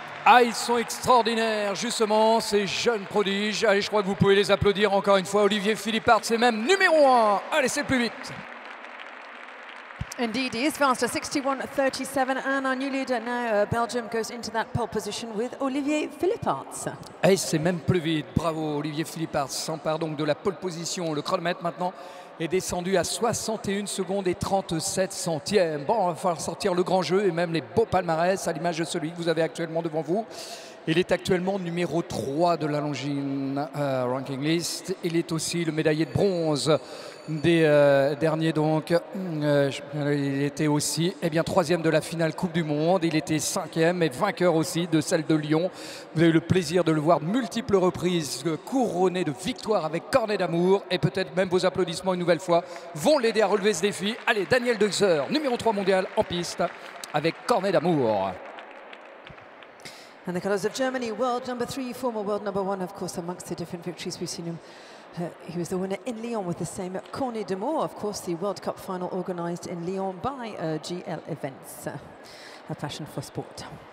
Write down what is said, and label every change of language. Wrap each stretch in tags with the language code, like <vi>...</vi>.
<fr>Ah, ils sont extraordinaires, justement, ces jeunes prodiges. Allez, je crois que vous pouvez les applaudir encore une fois. Olivier Philippartz, c'est même numéro 1. Allez, c'est plus vite.</fr> <en>Indeed, he is faster, 61-37, and our new leader now, Belgium, goes into that pole position with Olivier Philippartz.</en> <fr>Hey, c'est même plus vite, bravo Olivier Philippartz, s'empare donc de la pole position. Le chronomètre maintenant est descendu à 61 secondes et 37 centièmes. Bon, il va falloir sortir le grand jeu et même les beaux palmarès à l'image de celui que vous avez actuellement devant vous. Il est actuellement numéro 3 de la Longines ranking list. Il est aussi le médaillé de bronze des derniers. Donc, il était aussi eh bien, 3e de la finale Coupe du Monde. Il était 5e et vainqueur aussi de celle de Lyon. Vous avez eu le plaisir de le voir multiples reprises couronné de victoires avec Cornet d'Amour. Et peut-être même vos applaudissements une nouvelle fois vont l'aider à relever ce défi. Allez, Daniel Deuxer, numéro 3 mondial en piste avec Cornet d'Amour.</fr> <en>And the colours of Germany, world number 3, former world number 1, of course, amongst the different victories we've seen him. He was the winner in Lyon with the same Cornet d'Amour, of course, the World Cup final organised in Lyon by GL Events, a passion for sport.</en>